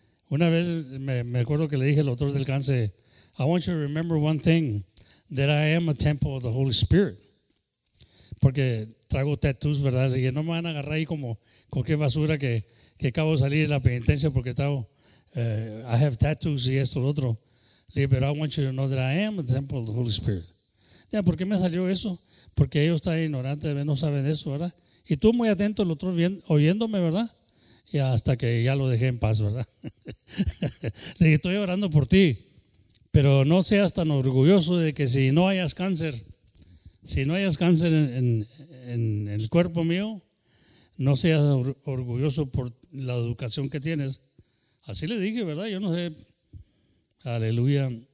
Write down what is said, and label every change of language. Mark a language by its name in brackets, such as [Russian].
[Spanish] Una vez me acuerdo que le dije al doctor del cáncer, [English] I want you to remember one thing, that I am a temple of the Holy Spirit. [Spanish] Porque traigo tattoos, ¿verdad? Y no me van a agarrar ahí como cualquier basura que acabo de salir de la penitencia porque estaba... [English] I have tattoos [Spanish] y esto y lo otro. [English] Pero I want you to know that I am a temple of the Holy Spirit. [Spanish] Ya, ¿por qué me salió eso? Porque ellos están ignorantes, no saben eso, ¿verdad? Y tú muy atento, el otro oyéndome, ¿verdad? Y hasta que ya lo dejé en paz, ¿verdad? Le dije, estoy orando por ti, pero no seas tan orgulloso de que si no hayas cáncer, si no hayas cáncer en el cuerpo mío, no seas orgulloso por la educación que tienes. Así le dije, ¿verdad? Yo no sé. Aleluya.